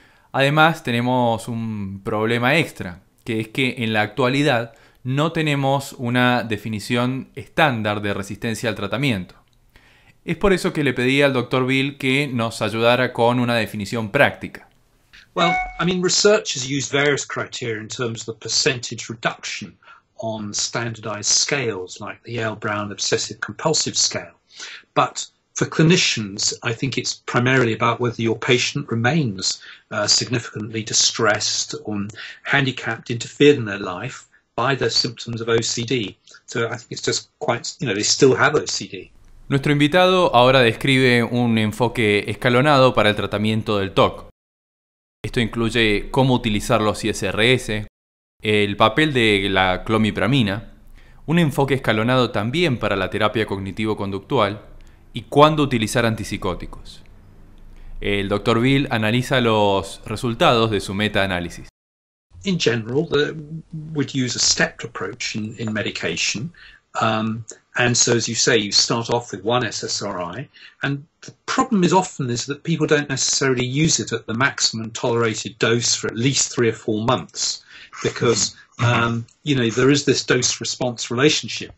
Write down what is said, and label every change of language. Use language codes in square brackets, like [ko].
[es] Además, tenemos un problema extra, que es que en la actualidad no tenemos una definición estándar de resistencia al tratamiento. Es por eso que le pedí al Dr. Bill que nos ayudara con una definición práctica. [en] Well, I mean, research has used various criteria in terms of the percentage reduction on standardized scales like the Yale-Brown Obsessive Compulsive Scale. But for clinicians, I think it's primarily about whether your patient remains significantly distressed or handicapped, interfered in their life by their symptoms of OCD. So I think it's just quite, you know, they still have OCD. [es] Nuestro invitado ahora describe un enfoque escalonado para el tratamiento del TOC. Esto incluye cómo utilizar los ISRS, el papel de la clomipramina, un enfoque escalonado también para la terapia cognitivo-conductual y cuándo utilizar antipsicóticos. El Dr. Bill analiza los resultados de su meta-análisis. [en] In general, we'd use a stepped approach in medication. And so, as you say, you start off with one SSRI, and the problem is often is that people don't necessarily use it at the maximum tolerated dose for at least 3 or 4 months, because you know, there is this dose-response relationship.